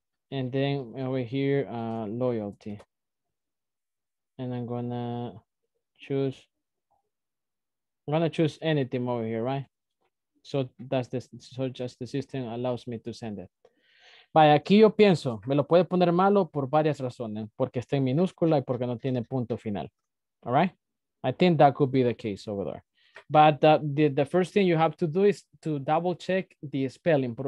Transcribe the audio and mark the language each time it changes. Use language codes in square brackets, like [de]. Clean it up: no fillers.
[en] And then over here, loyalty. And I'm gonna choose. I'm gonna choose anything over here, right? So that's the so just the system allows me to send it. [es] Vaya, aquí yo pienso, me lo puede poner malo por varias razones, porque está en minúscula y porque no tiene punto final. [en] All right? I think that could be the case over there. But the first thing you have to do is to double check the spelling.